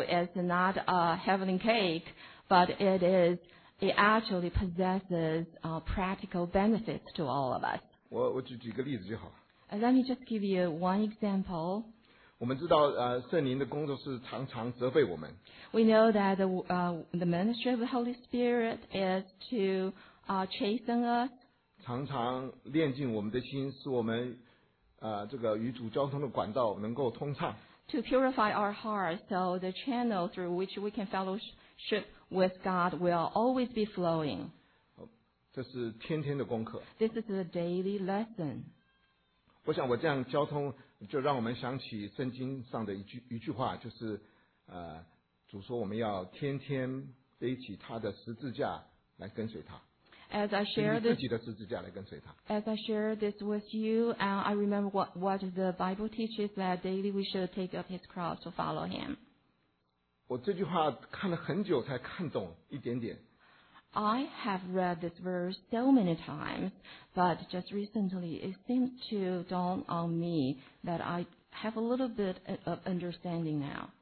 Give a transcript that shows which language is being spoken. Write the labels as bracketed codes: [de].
[en] It's not a heavenly cake, but it actually possesses practical benefits to all of us. [zh] 我举几个例子就好。 [en] Let me just give you one example. [zh] 我们知道圣灵的工作是常常责备我们。 [en] We know that the ministry of the Holy Spirit is to chasten us. [zh] 常常炼净我们的心，使我们这个与主交通的管道能够通畅。 [en] To purify our hearts, so the channel through which we can fellowship with God will always be flowing. [zh] 这是天天的功课。 [en] This is a daily lesson. [zh] 我想我这样交通，就让我们想起圣经上的一句话，就是主说我们要天天背起他的十字架来跟随他。 [en] As I share this with you, and I remember what the Bible teaches that daily we should take up his cross to follow him. [zh] 我这句话看了很久才看懂一点点。 [en] I have read this verse so many times, but just recently it seems to dawn on me that I have a little bit of understanding now.